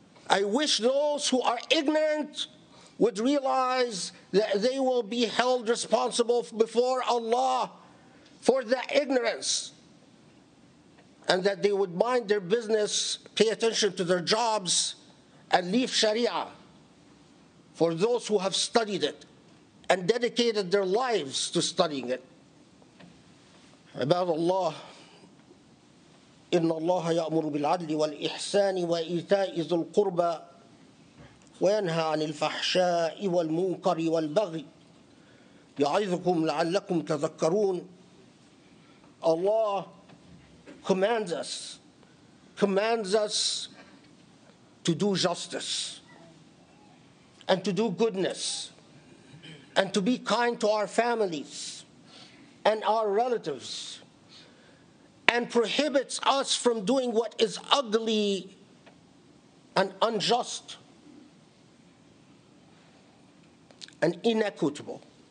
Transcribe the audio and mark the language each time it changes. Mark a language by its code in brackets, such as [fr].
[en] I wish those who are ignorant would realize that they will be held responsible before Allah for that ignorance, and that they would mind their business, pay attention to their jobs, and leave Sharia for those who have studied it and dedicated their lives to studying it. About Allah, [ar] إن الله يأمر بالعدل والإحسان وإيتاء ذي القربى وينهى عن الفحشاء والمنكر والبغي يعظكم لعلكم تذكرون. [en] Allah commands us to do justice and to do goodness and to be kind to our families and our relatives, and prohibits us from doing what is ugly and unjust and inequitable.